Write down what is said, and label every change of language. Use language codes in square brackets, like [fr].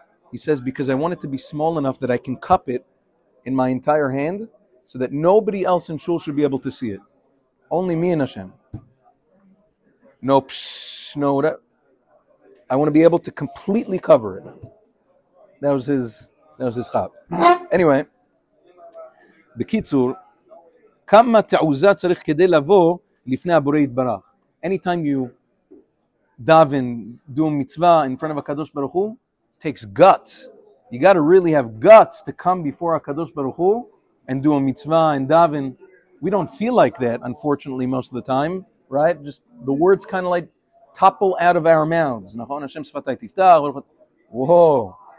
[en] He says, because I want it to be small enough that I can cup it in my entire hand so that nobody else in shul should be able to see it. Only me and Hashem. No, psh, no, whatever. I want to be able to completely cover it. That was his chav. Anyway, bekitzur, [he] כמה תעוזה צריך כדי לבוא לפני הבורא יתברך. [en] Anytime you daven, do a mitzvah in front of HaKadosh Baruch Hu, takes guts. You got to really have guts to come before HaKadosh Baruch Hu and do a mitzvah and daven. We don't feel like that, unfortunately, most of the time, right? Just the words kind of like topple out of our mouths. [he] נכון? השם שפתי תפתח. [en] Whoa.